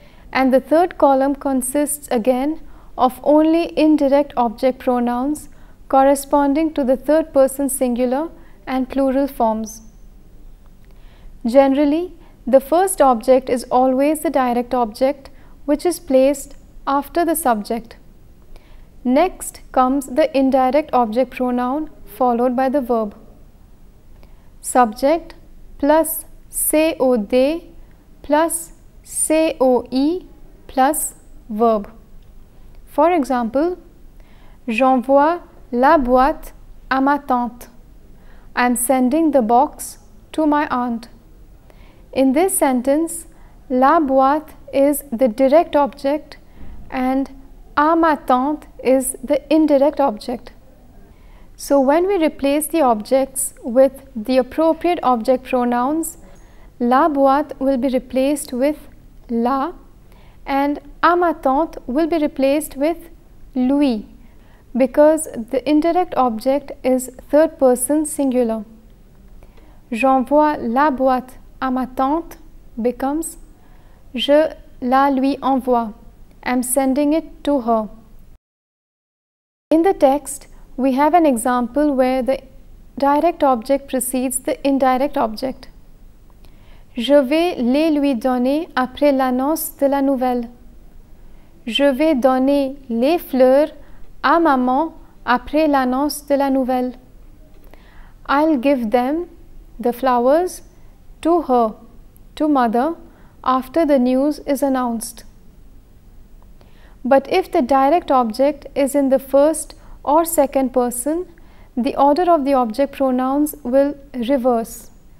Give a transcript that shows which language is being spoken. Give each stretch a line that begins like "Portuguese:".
English: And the third column consists again of only indirect object pronouns corresponding to the third person singular and plural forms. Generally, the first object is always the direct object, which is placed after the subject. Next comes the indirect object pronoun followed by the verb. Subject plus se o de plus se o e plus verb. For example,
French: j'envoie la boîte à ma tante.
English: I am sending the box to my aunt. In this sentence,
French: la boîte
English: is the direct object and
French: à ma tante
English: is the indirect object. So when we replace the objects with the appropriate object pronouns,
French: la boîte
English: will be replaced with la and
French: à ma tante
English: will be replaced with lui, because the indirect object is third person singular.
French: J'envoie la boîte à ma tante
English: becomes
French: je la lui envoie.
English: I'm sending it to her. In the text, we have an example where the direct object precedes the indirect object.
French: Je vais les lui donner après l'annonce de la nouvelle. Je vais donner les fleurs à maman après l'annonce de la nouvelle.
English: I'll give them the flowers to her, to mother, after the news is announced. But if the direct object is in the first or second person, the order of the object pronouns will reverse.